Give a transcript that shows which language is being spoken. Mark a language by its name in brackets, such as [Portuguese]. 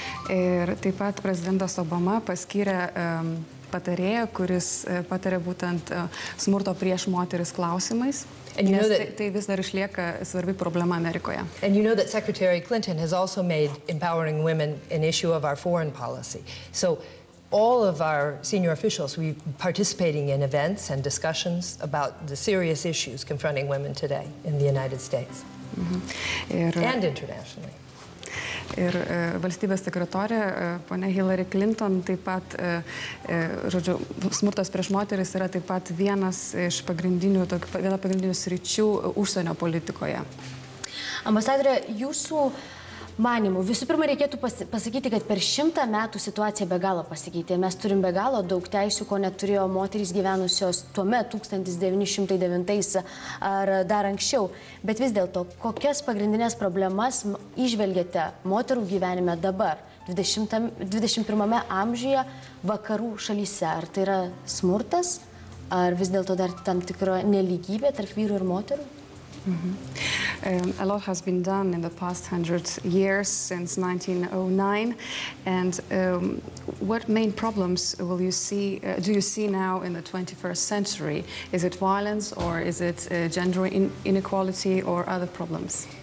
[Lithuanian] Ir taip pat prezidentas Obama paskyrė patarėją, kuris patarė būtent smurto prieš moteris klausimais. Nes tai vis dar išlieka svarbi problema Amerikoje. [English] And you know that Secretary Clinton has also made empowering women an issue of our foreign policy. So all of our senior officials, we're participating in events and discussions about the serious issues confronting women today in the United States. And internationally. [Lithuanian] Ir valstybės sekretorė, ponia Hillary Clinton, taip pat, žodžiu, smurtas prieš moteris yra taip pat vienas iš pagrindinių sričių užsienio politikoje. Ambasadorė, jūsų Manimu, visų pirma, reikėtų pasakyti, kad per 100 metų situacija be galo pasikeitė. Mes turim be galo daug teisių, ko neturėjo moterys gyvenusios tuo metu 1909 ar dar anksčiau. Bet vis dėlto, kokias pagrindinės problemas išvelgiate moterų gyvenime dabar, 21 amžiuje vakarų šalyse? Ar tai yra smurtas, ar vis dėlto dar tam tikro nelygybė tarp vyrų ir moterų? Mm-hmm. [English] A lot has been done in the past 100 years since 1909, and what main problems will you see? Do you see now in the 21st century? Is it violence, or is it gender inequality, or other problems?